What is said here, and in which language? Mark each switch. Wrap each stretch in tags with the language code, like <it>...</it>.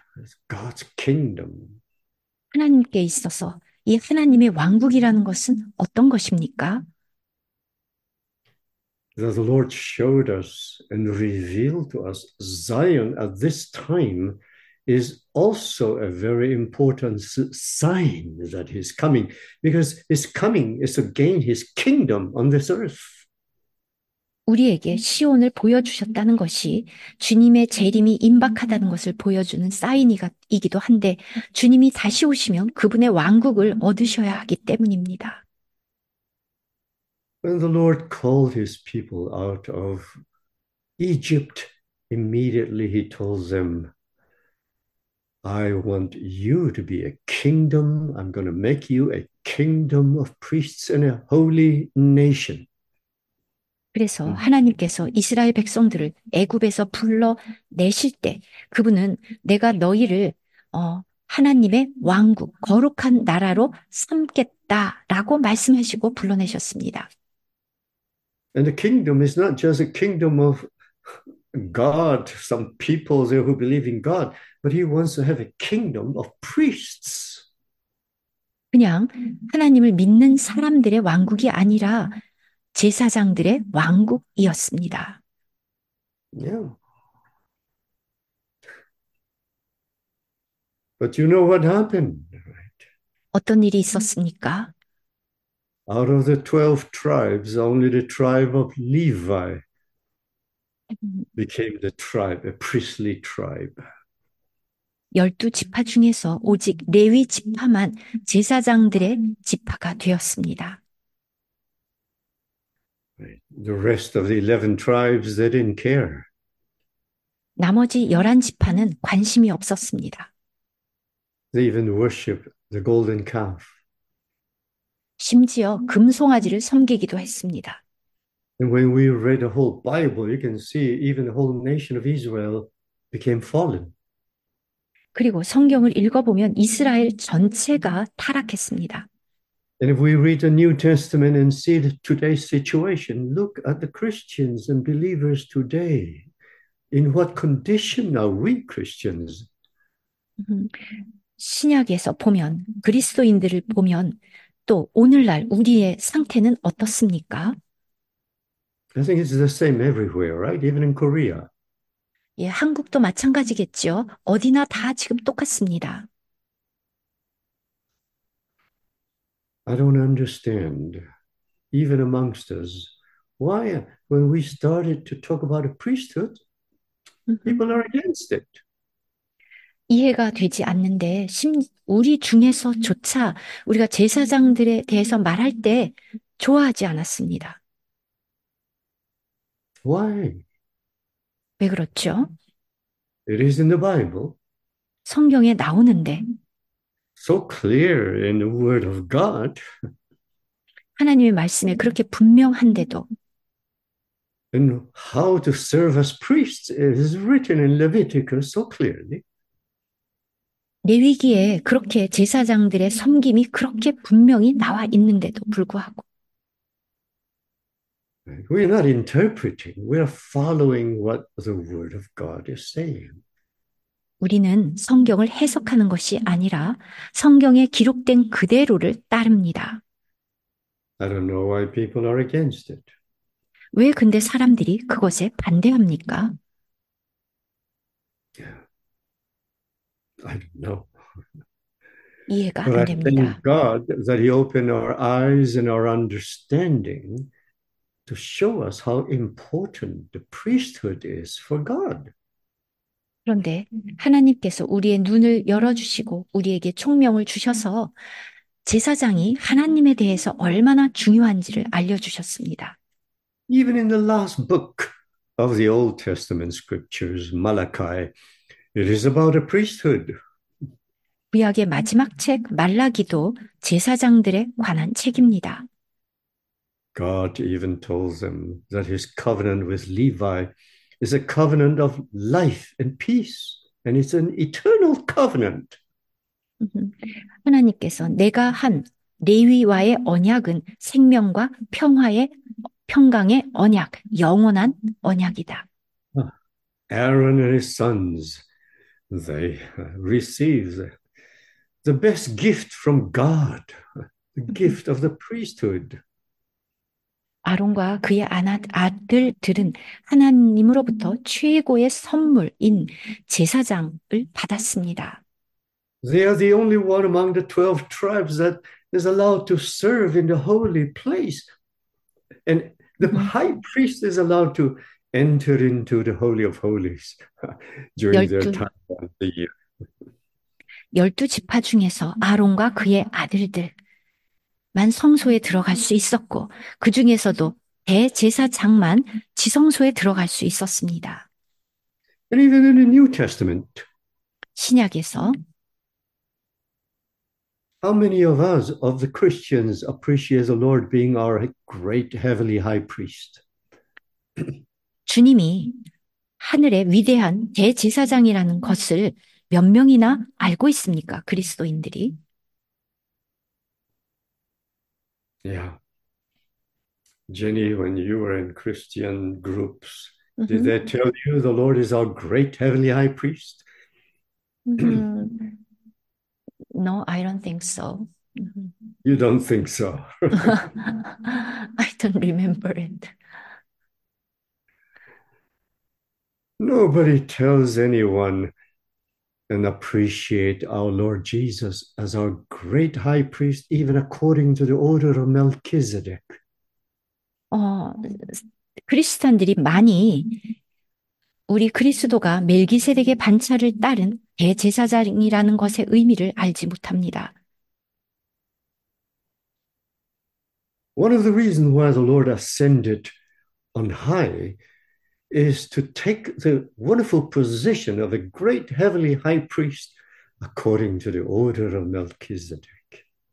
<en>It's God's kingdom.</en> <ko>하나님께 있어서 이 하나님의 왕국이라는 것은 어떤 것입니까?</ko> <en>That the Lord showed us and revealed to us Zion at this time is also a very important sign that he's coming, because his coming is to gain his kingdom on this earth.</en> <ko>우리에게 시온을 보여주셨다는 것이 주님의 재림이 임박하다는 것을 보여주는 사인이기도 한데 주님이 다시 오시면 그분의 왕국을 얻으셔야 하기 때문입니다.</ko> <en>When the Lord called his people out of Egypt, immediately he told them, I want you to be a kingdom. I'm going to make you a kingdom of priests and a holy nation.</en> <ko>그래서 하나님께서 이스라엘 백성들을 애굽에서 불러내실 때 그분은 내가 너희를 하나님의 왕국, 거룩한 나라로 삼겠다라고 말씀하시고 불러내셨습니다.</ko> <en>And the kingdom is not just a kingdom of God, some people there who believe in God, but he wants to have a kingdom of priests.</en> <ko>그냥 하나님을 믿는 사람들의 왕국이 아니라 제사장들의 왕국이었습니다.</ko> <en>Yeah. But you know what happened,</en> <ko>어떤 일이 있었습니까?</ko> <en>right? Out of the 12 tribes, only the tribe of Levi became the tribe, a priestly tribe.</en> <ko>12 지파 중에서 오직 레위 지파만 제사장들의 지파가 되었습니다.</ko> <en>The rest of the 11 tribes, they didn't care.</en> <ko>나머지 열한 지파는 관심이 없었습니다.</ko> <en>They even worship the golden calf.</en> <ko>심지어 금송아지를 섬기기도 했습니다.</ko> <en>And when we read the whole Bible, you can see even the whole nation of Israel became fallen.</en> <ko>그리고 성경을 읽어보면 이스라엘 전체가 타락했습니다.</ko> <en>And if we read the New Testament and see today's situation, look at the Christians and believers today. In what condition are we Christians?</en> <ko>신약에서 보면, 그리스도인들을 보면, 또 오늘날 우리의 상태는 어떻습니까?</ko> <en>I think it's the same everywhere, right? Even in Korea.</en> <ko>예, 한국도 마찬가지겠죠. 어디나 다 지금 똑같습니다.</ko> <en>I don't understand, even amongst us, why when we started to talk about a priesthood, people are against it.</en> <ko>이해가 되지 않는데, 우리 중에서조차 우리가 제사장들에 대해서 말할 때 좋아하지 않았습니다.</ko> <en>Why?</en> <ko>왜 그렇죠?</ko> <en>It is in the Bible.</en> <ko>성경에 나오는데</ko> <en>So clear in the Word of God.</en> <ko>하나님의 말씀에 그렇게 분명한데도</ko> <en>And how to serve as priests is written in Leviticus so clearly.</en> <ko>레위기에 그렇게 제사장들의 섬김이 그렇게 분명히 나와 있는데도 불구하고</ko> <en>We are not interpreting, we are following what the Word of God is saying.</en> <ko>우리는 성경을 해석하는 것이 아니라 성경에 기록된 그대로를 따릅니다.</ko> <en>I don't know why people are against it.</en> <ko>왜 근데 사람들이 그것에 반대합니까?</ko> <en>I don't know.</en> <ko>이해가</ko> <en>But I</en> <ko>안</ko> <en>thank</en> <ko>됩니다.</ko> <en>God that He opened our eyes and our understanding. To show us how important the priesthood is for God.</en> <ko>그런데 하나님께서 우리의 눈을 열어주시고 우리에게 총명을 주셔서 제사장이 하나님에 대해서 얼마나 중요한지를 알려주셨습니다.</ko> <en>Even in the last book of the Old Testament scriptures, Malachi, it is about a priesthood.</en> <ko>구약의 마지막 책 말라기도 제사장들에 관한 책입니다.</ko> <en>God even told them that his covenant with Levi is a covenant of life and peace, and it's an eternal covenant.</en> <ko>하나님께서 내가 한 레위와의 언약은 생명과 평강의 언약, 영원한 언약이다.</ko> <en>Aaron and his sons, they receive the best gift from God, the gift of the priesthood.</en> <ko>아론과 그의 아들들은 하나님으로부터 최고의 선물인 제사장을 받았습니다.</ko> <en>They are the only one among the 12 tribes that is allowed to serve in the holy place. And the high priest is allowed to enter into the Holy of Holies during their time of the year.</en> <ko>열두 지파 중에서 아론과 그의 아들들만 성소에 들어갈 수 있었고, 그 중에서도 대제사장만 지성소에 들어갈 수 있었습니다.</ko> <en>And even in the New Testament,</en> <ko>신약에서</ko> <en>how many of us, of the Christians, appreciate the Lord being our great heavenly high priest?</en> <ko>주님이 하늘의 위대한 대제사장이라는 것을 몇 명이나 알고 있습니까? 그리스도인들이?</ko> <en>Yeah. Jenny, when you were in Christian groups, did they tell you the Lord is our great heavenly high priest? No, I don't think so. You don't think so. I don't remember it. Nobody tells anyone and appreciate our Lord Jesus as our great high priest, even according to the order of Melchizedek.</en> <ko>크리스천들이 많이 우리 그리스도가 멜기세덱의 반차를 따른 대제사장이라는 것의 의미를 알지 못합니다.</ko> <en>One of the reasons why the Lord ascended on high is to take the wonderful position of a great heavenly high priest according to the order of Melchizedek.</en>